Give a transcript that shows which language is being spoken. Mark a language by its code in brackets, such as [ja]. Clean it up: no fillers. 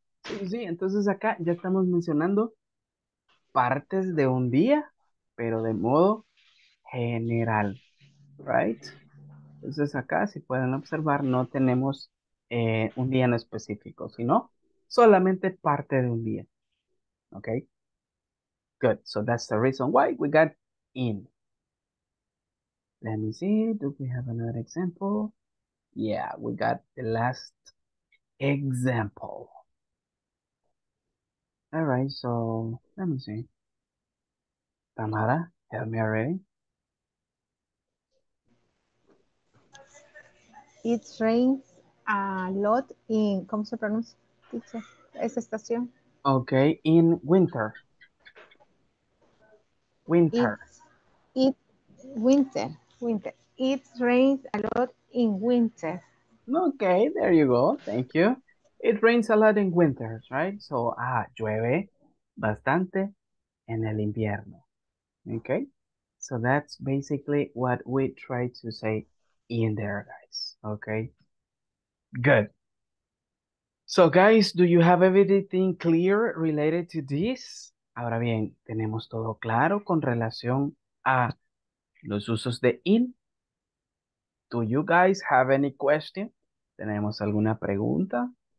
[es] Sí, entonces acá ya estamos mencionando partes de un día, pero de modo general, right? Entonces acá, si pueden observar, no tenemos un día en específico, sino solamente parte de un día. [en] Okay, good. So that's the reason why we got in. Let me see. Do we have another example? Yeah, we got the last example. All right. So let me see. Tamara, help me already. It rains a lot in. [es] ¿Cómo se pronuncia? Dice esa estación. [en] Okay, in winter. Winter. Winter. It rains a lot in winter. Okay, there you go. Thank you. It rains a lot in winter, right? [es] So, llueve bastante en el invierno. Okay? [en] So that's basically what we try to say in there, guys. Okay? Good. So, guys, do you have everything clear related to this? [es] Ahora bien, ¿tenemos todo claro con relación a los usos de in? [en] Do you guys have any question? [es] ¿Tenemos alguna pregunta?